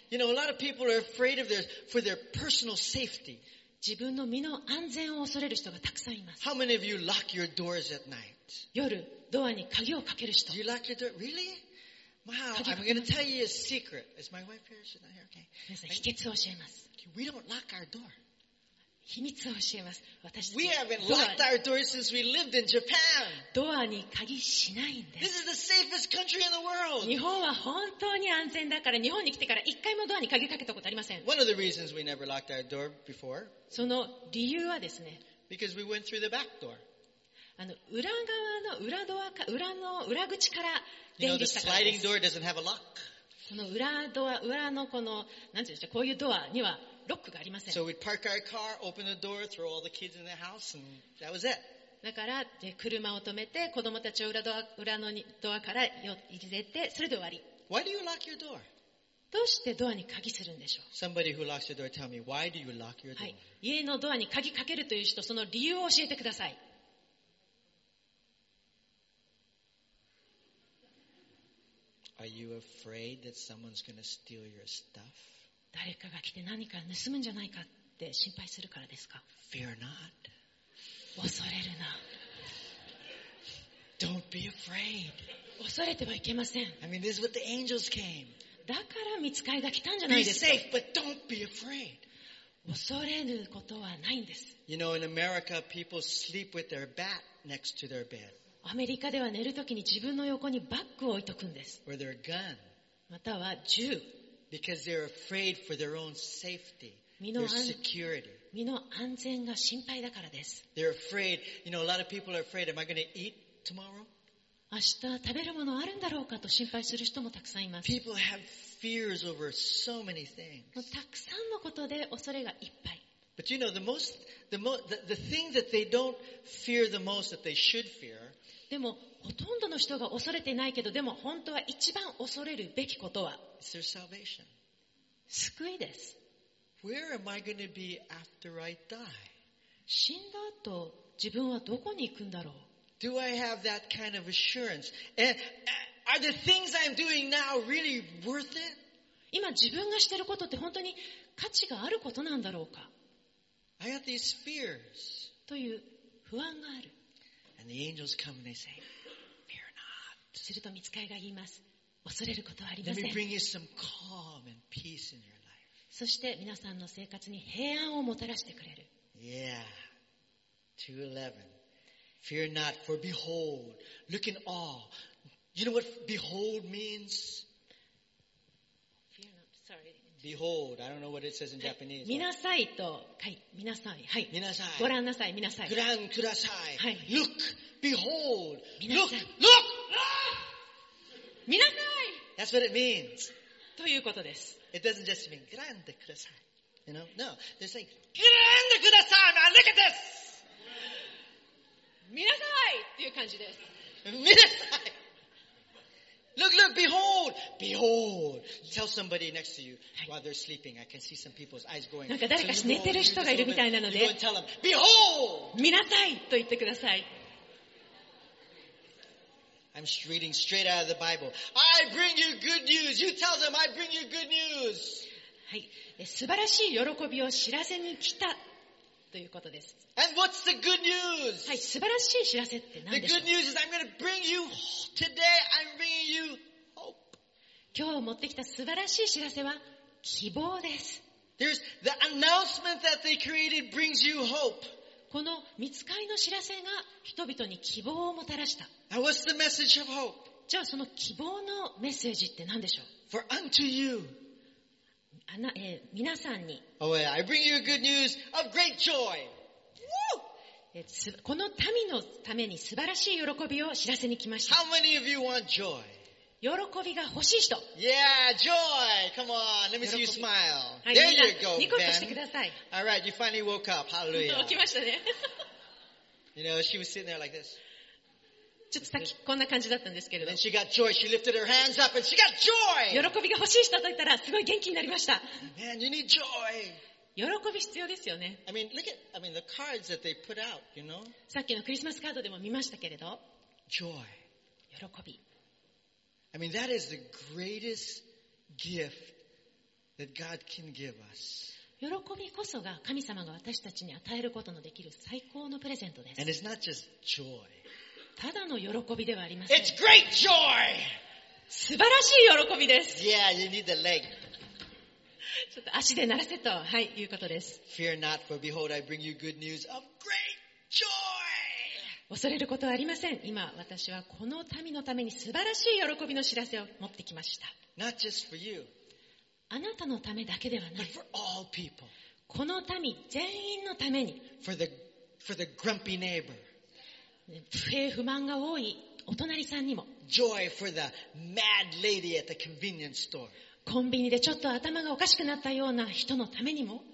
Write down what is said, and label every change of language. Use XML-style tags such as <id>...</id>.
<en>You know, a lot of people are afraid of for their personal safety.</en> <ja>自分の身の安全を恐れる人がたくさんいます。</ja> <en>How many of you lock your doors at night?</en> <ja>夜、ドアに鍵をかける人。</ja> <en>Do you lock your door? Really? Wow, I'm going to tell you a secret. Is my wife here? She's not here? Okay.</en> <ja>皆さん、秘訣を教えます。</ja> <en>We don't lock our door.</en> <ja>秘密を教えます。</ja> <en>We haven't locked our doors since we lived in Japan.</en> <ja>ドアに鍵しないんです。</ja> <en>This is the safest country in the world.</en> <ja>日本は本当に安全だから、日本に来てから一回もドアに鍵かけたことありません。</ja> <en>One of the reasons we never locked our door before.</en> <ja>その理由はですね。</ja> <en>Because we went through the back door.</en> <ja>裏側の裏ドアか、裏の裏口から出入りしたからです。</ja> <en>You know, the sliding door doesn't have a lock.</en> <ja>この裏ドア、裏のこの、なんていうんでしょう、こういうドアには、ロックがありません。</ja> <en>So we'd park our car, open the door, throw all the kids in the house, and that was it.</en> <ja>だから、車を止めて、子供たちを裏のドアから入れて、それで終わり。</ja> <en>Why do you lock your door?</en> <ja>どうしてドアに鍵するんでしょう?</ja> <en>Somebody who locks your door, tell me, why do you lock your door?</en> <ja>はい。家のドアに鍵かけるという人、その理由を教えてください。</ja> <en>Are you afraid that someone's going to steal your stuff?</en> <ja>誰かが来て何か盗むんじゃないかって心配するからですか?</ja> <en>Fear not.</en> <ja>恐れるな。</ja> <en>Don't be afraid.</en> <ja>恐れてはいけません。</ja> <en>I mean, this is what the angels came.</en> <ja>だから御使いが来たんじゃないですか?</ja> <en>Be safe, but don't be afraid.</en> <ja>恐れることはないんです。</ja> <en>You know, in America, people sleep with their bat next to their bed.</en> <ja>アメリカでは寝るときに自分の横にバッグを置いとくんです。</ja> <en>Or their gun.</en> <ja>または銃。</ja> <en>Because they're afraid for their own safety, their security.</en> <ja>身の安全が心配だからです。</ja> <en>They're afraid. You know, a lot of people are afraid. Am I going to eat tomorrow?</en> <ja>明日食べるものあるんだろうかと心配する人もたくさんいます。</ja> <en>People have fears over so many things.</en> <ja>たくさんのことで恐れがいっぱい。</ja> <en>But you know, the thing that they don't fear the most that they should fear.</en> <ja>でもほとんどの人が恐れてないけど、でも本当は一番恐れるべきことは</ja> <en>is their salvation.</en> <ja>救いです。</ja> <en>Where am I going to be after I die?</en> <ja>死んだ後、自分はどこに行くんだろう。</ja> <en>Do I have that kind of assurance? And are the things I'm doing now really worth it?</en> <ja>今自分がしてることって本当に価値があることなんだろうか。</ja> <en>I have these fears.</en> <ja>という不安がある。</ja> <en>And the angels come and they say, "Fear not."</en> <ja>すると御使いが言います。恐れることはありません。</ja> <en>Let me bring you some calm and peace in your life.</en> <ja>そして皆さんの生活に平安をもたらしてくれる。</ja> <en>Yeah. 2:11. Fear not, for behold, look in awe. You know what behold means? Fear not. Sorry. Behold. I don't know what it says in Japanese.</en> <ja>見なさいと、はい、見なさい、はい、見なさい、ご覧なさい、見なさい、ご覧ください、はい、</ja> <en>Look, behold,</en> <ja>見なさい、</ja> <en>look, look,</en> <ja>見なさい。</ja> <en>That's what it means.</en> <ja>ということです。</ja> <en>It doesn't just mean</en> <ja>ご覧でください。</ja> <en>You know? No. They say</en> <ja>ご覧でください。</ja> <en>Now look at this.</en> <ja>見なさいっていう感じです。見なさい。</ja> <en>Look, look, behold, behold. Tell somebody next to you while they're sleeping. I can see some people's eyes going.</en> <ja>なんか誰か寝てる人がいるみたいなので。</ja> <en>You go and tell them, behold.</en> <ja>見なさいと言ってください。</ja> <en>I'm reading straight out of the Bible. I bring you good news. You tell them I bring you good news.</en> <ja>はい、素晴らしい喜びを知らせに来たということです。</ja> <en>And what's the good news?</en> <ja>はい、素晴らしい知らせって何でしょう。</ja> <en>The good news is I'm going to bring you today. I'm bringing you hope.</en> <ja>今日持ってきた素晴らしい知らせは希望です。</ja> <en>There's the announcement that they created brings you hope.</en> <ja>この見つかりの知らせが人々に希望をもたらした。</ja> <en>Now what's the message of hope?</en> <ja>じゃあその希望のメッセージって何でしょう。</ja> <en>For unto you.</en> <ja>皆さんに。</ja> <en>Oh, yeah. I bring you good news of great joy. Woo!</en> <ja>この民のために素晴らしい喜びを知らせに来ました。</ja> <en>How many of you want joy?</en> <ja>喜びが欲しい人。</ja> <en>Yeah, joy! Come on, let me see you smile. There you go, Ben.</en> <ja>ニコッとしてください。</ja> <en>All right, you finally woke up. Hallelujah.</en> <ja>起きましたね。</ja> <en>You know, she was sitting there like this.</en> <ja>ちょっとさっきこんな感じだったんですけれど。</ja> <en>And she got joy. She lifted her hands up and she got joy.</en> <ja>喜びが欲しい人と言ったらすごい元気になりました。</ja> <en>Man, you need joy.</en> <ja>喜び必要ですよね。</ja> <en>I mean, look at, I mean, the cards that they put out, you know?</en> <ja>さっきのクリスマスカードでも見ましたけれど。</ja> <en>Joy.</en> <ja>喜び。</ja> <en>I mean, that is the greatest gift that God can give us.</en> <ja>喜びこそが神様が私たちに与えることのできる最高のプレゼントです。</ja> <en>And it's not just joy.</en> <ja>ただの喜びではありません。</ja> <en>It's great joy!</en> <ja>素晴らしい喜びです。</ja> <en>Yeah, you need the leg.</en> <ja>ちょっと足で鳴らせと、はい、いうことです。</ja> <en>Fear not, for behold, I bring you good news of great joy!</en> <ja>恐れることはありません。今、私はこの民のために素晴らしい喜びの知らせを持ってきました。</ja> <en>Not just for you.</en> <ja>あなたのためだけではない。</ja> <en>But for all people.</en> <ja>この民全員のために。</ja> <en>For the grumpy neighbor.</en> <ja>不平不満が多いお隣さんにも。</ja> <en>Joy for the mad lady at the convenience store.</en> <ja>コンビニでちょっと頭がおかしくなったような人のためにも。</ja>